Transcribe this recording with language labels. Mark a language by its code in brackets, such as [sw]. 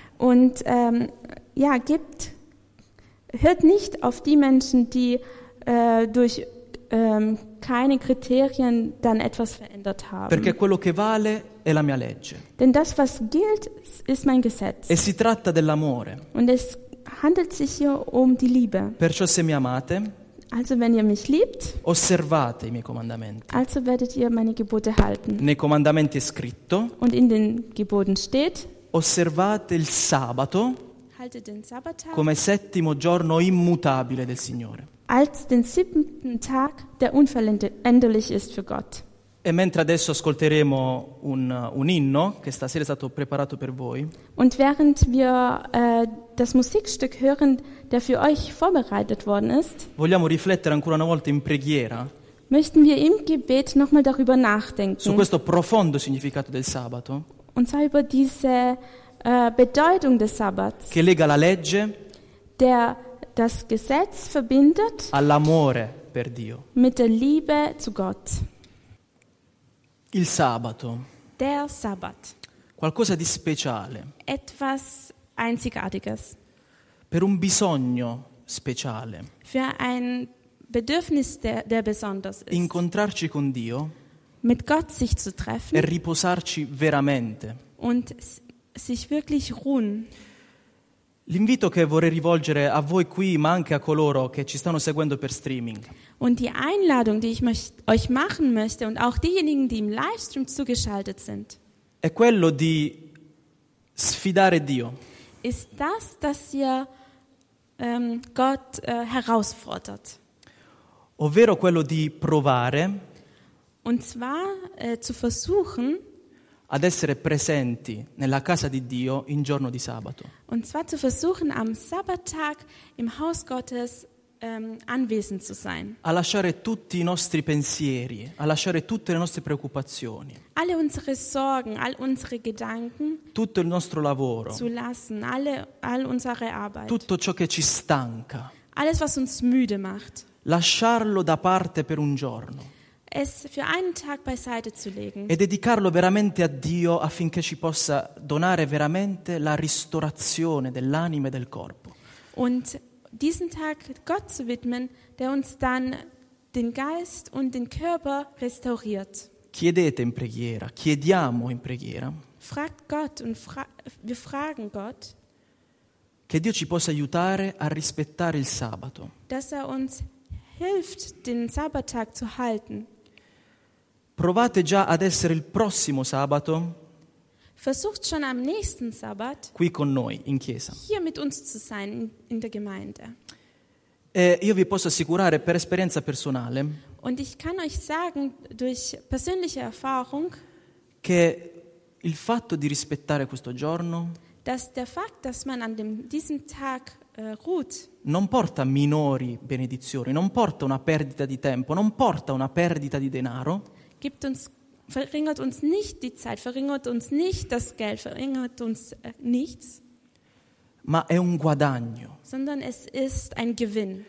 [de] Und hört nicht auf die Menschen, die durch keine Kriterien dann etwas verändert haben. [it] Perché quello che vale è la mia legge. [de] Denn das, was gilt, ist mein Gesetz. [it] E si tratta dell'amore. [de] Und es handelt sich hier um die Liebe. [it] Perciò se mi amate, [de] also wenn ihr mich liebt, [it] osservate i miei comandamenti. [de] Also werdet ihr meine Gebote halten. [it] Nei comandamenti è scritto. [de] Und in den Geboten steht. [it] Osservate il sabato. [de] Haltet den Sabbattag. [it] Come settimo giorno immutabile del Signore. [de] Als den siebten Tag, der unveränderlich ist für Gott. [it] E mentre adesso ascolteremo un inno che stasera è stato preparato per voi. [de] Und während wir das Musikstück hören, der für euch vorbereitet worden ist, [it] vogliamo riflettere ancora una volta in preghiera. [de] Möchten wir im Gebet nochmal darüber nachdenken. [it] Su questo profondo significato del sabato. [de] Und zwar über diese Bedeutung des Sabbats. [it] Che lega la legge. [de] Der das Gesetz verbindet [it] all'amore per Dio. [de] Mit der Liebe zu Gott. [it] Il sabato. [de] Der Sabbat. [it] Qualcosa di speciale. [de] Etwas Einzigartiges. [it] Per un bisogno speciale. [de] Für ein Bedürfnis, der besonders ist. [it] Incontrarci con Dio. [de] Mit Gott sich zu treffen. [it] E riposarci veramente. [de] Und sich wirklich ruhen. [it] L'invito che vorrei rivolgere a voi qui, ma anche a coloro che ci stanno seguendo per streaming. [de] Und die Einladung, die ich euch machen möchte, und auch diejenigen, die im Livestream zugeschaltet sind, [it] è quello di sfidare Dio. [de] Ist das, dass ihr Gott herausfordert. [it] Ovvero quello di provare. [de] Und zwar zu versuchen. [it] Ad essere presenti nella casa di Dio in giorno di sabato. [de] Und zwar zu versuchen, am Sabbattag im Haus Gottes anwesend zu sein. [it] A lasciare tutti i nostri pensieri, a lasciare tutte le nostre preoccupazioni. [de] Alle unsere Sorgen, all unsere Gedanken. [it] Tutto il nostro lavoro. [de] Zu lassen, all unsere Arbeit. [it] Tutto ciò che ci stanca. [de] Alles, was uns müde macht. [it] Lasciarlo da parte per un giorno. [de] Es für einen Tag beiseite zu legen. [it] E dedicarlo veramente a Dio affinché ci possa donare veramente la ristorazione dell'anima e del corpo. [de] Und diesen Tag Gott zu widmen, der uns dann den Geist und den Körper restauriert. [it] Chiedete in preghiera, chiediamo in preghiera. [de] Fragt Gott und wir fragen Gott. [it] Che Dio ci possa aiutare a rispettare il sabato. [de] Dass er uns hilft, den Sabbattag zu halten. [it] Provate già ad essere il prossimo sabato. [de] Versucht schon am nächsten Sabbat. [it] Qui con noi in chiesa. [de] Hier mit uns zu sein in der Gemeinde. [it] E io vi posso assicurare per esperienza personale. [de] Und ich kann euch sagen durch persönliche Erfahrung. [it] Che il fatto di rispettare questo giorno. [de] Dass der Fakt, dass man an diesem Tag ruht. [it] Non porta minori benedizioni, non porta una perdita di tempo, non porta una perdita di denaro. [de] Gibt uns, verringert uns nicht die Zeit, verringert uns nicht das Geld, verringert uns nichts. [it] Ma è un guadagno. [de] Sondern es ist ein Gewinn.